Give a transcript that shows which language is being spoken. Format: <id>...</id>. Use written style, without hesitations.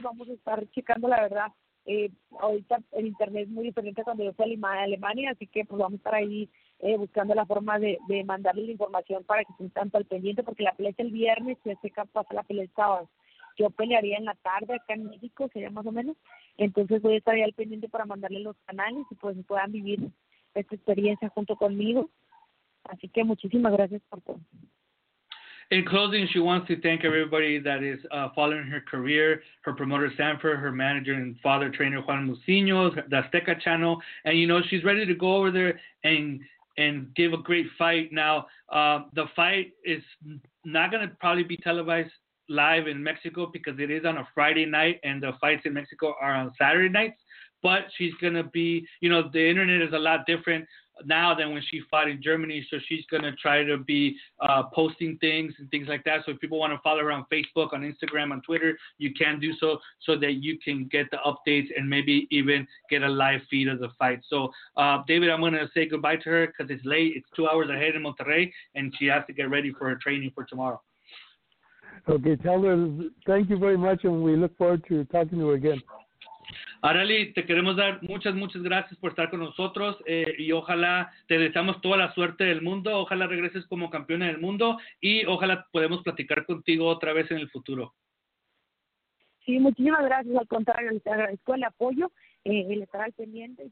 <es>Vamos a estar checando, la verdad, ahorita el internet es muy diferente cuando yo fui a Alemania, así que pues vamos a estar ahí buscando la forma de mandarle la información para que estén tanto al pendiente, porque la pelea es el viernes y este campo pasa la pelea el sábado. Yo pelearía en la tarde acá en México, sería más o menos, entonces voy a estar ahí al pendiente para mandarle los canales y pues puedan vivir esta experiencia junto conmigo. Así que muchísimas gracias por todo.</es> <en>In closing, she wants to thank everybody that is following her career, her promoter Sanford, her manager and father trainer Juan Musiño, the Azteca channel, and she's ready to go over there and give a great fight. Now, the fight is not going to probably be televised live in Mexico because it is on a Friday night and the fights in Mexico are on Saturday nights, but she's going to be, the internet is a lot different now than when she fought in Germany, so she's going to try to be posting things and things like that. So if people want to follow her on Facebook, on Instagram, on Twitter, you can do so that you can get the updates and maybe even get a live feed of the fight. So David, I'm going to say goodbye to her because it's late. It's 2 hours ahead in Monterrey, and she has to get ready for her training for tomorrow. Okay, tell her thank you very much, and we look forward to talking to her again.</en> <es>Arely, te queremos dar muchas, muchas gracias por estar con nosotros y ojalá te deseamos toda la suerte del mundo. Ojalá regreses como campeona del mundo y ojalá podamos platicar contigo otra vez en el futuro. Sí, muchísimas gracias. Al contrario, les agradezco el apoyo, el estar al pendiente.</es>